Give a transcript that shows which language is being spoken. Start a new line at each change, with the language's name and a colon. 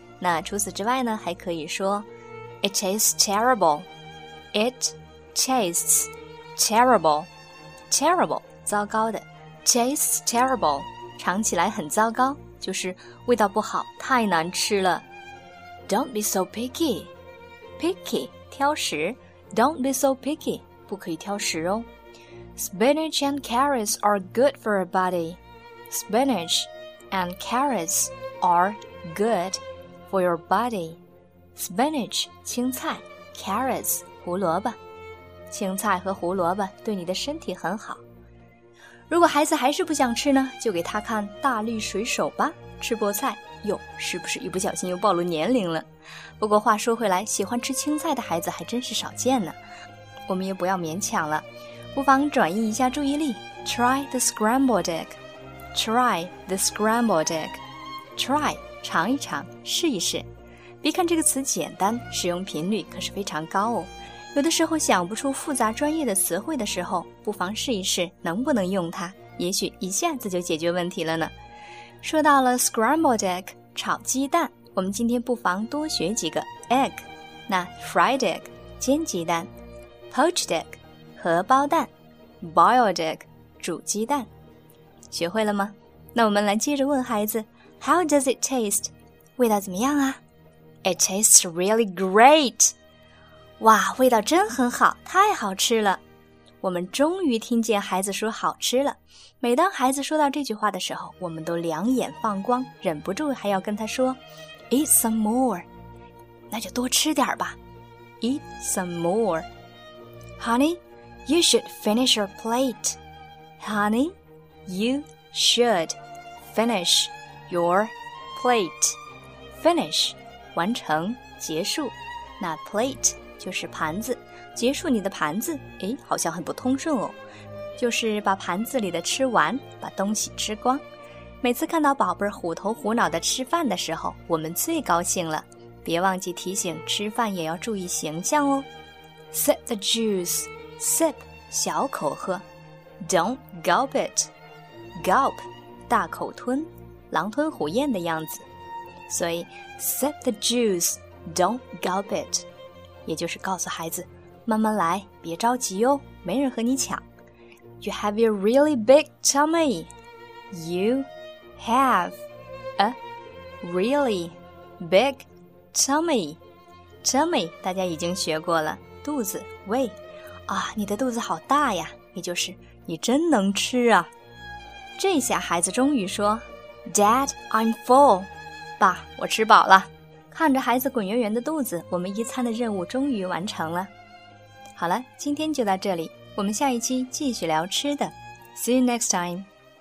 Chinese: 那除此之外呢，还可以说
English: It tastes terrible。 It tastes terrible。 Terrible, 糟糕的。 Tastes terrible,
Chinese: 尝起来很糟糕，就是味道不好，太难吃了。
English: Don't be so picky。 Picky, 挑食。 Don't be so picky,
Chinese: 不可以挑食哦。
English: Spinach and carrots are good for a body. Spinach and carrots are good for your body.
Chinese: Spinach, 青菜, carrots, 胡萝卜。青菜和胡萝卜对你的身体很好。如果孩子还是不想吃呢，就给他看大力水手吧。吃菠菜，哟，是不是一不小心又暴露年龄了？不过话说回来，喜欢吃青菜的孩子还真是少见呢。我们也不要勉强了。不妨转移一下注意力。
English: Try the scrambled egg. Try the scrambled egg.
Chinese: Try, 尝一尝，试一试。别看这个词简单，使用频率可是非常高哦。有的时候想不出复杂专业的词汇的时候，不妨试一试能不能用它，也许一下子就解决问题了呢。说到了 scrambled egg, 炒鸡蛋，我们今天不妨多学几个 egg。那 fried egg, 煎鸡蛋。poached egg,荷包蛋 ，boiled egg， 煮鸡蛋，学会了吗？那我们来接着问孩子 ，
English: How does it taste？
Chinese: 味道怎么样啊 ？
English: It tastes really great。
Chinese: 哇，味道真很好，太好吃了！我们终于听见孩子说好吃了。每当孩子说到这句话的时候，我们都两眼放光，忍不住还要跟他说 ，
English: Eat some more。
Chinese: 那就多吃点吧 ，
English: Eat some more。 Honey。 You should finish your plate. Honey, you should finish your plate.
Chinese: Finish, 完成，结束。那 plate 就是盘子，结束你的盘子，诶，好像很不通顺哦。就是把盘子里的吃完，把东西吃光。每次看到宝贝虎头虎脑的吃饭的时候，我们最高兴了。别忘记提醒，吃饭也要注意形象哦。
English: Set the juice. Sip, 小口喝。 Don't gulp it.
Chinese: Gulp, 大口吞，狼吞虎咽的样子。
English: 所以 sip the juice, don't gulp it.
Chinese: 也就是告诉孩子，慢慢来，别着急哦，没人和你抢。
English: You have a really big tummy. You have a really big tummy.
Chinese: Tummy, 大家已经学过了，肚子，胃。啊，你的肚子好大呀，也就是你真能吃啊。这下孩子终于说
English: Dad, I'm full.
Chinese: 爸，我吃饱了。看着孩子滚圆圆的肚子，我们一餐的任务终于完成了。好了，今天就到这里，我们下一期继续聊吃的。
English: See you next time.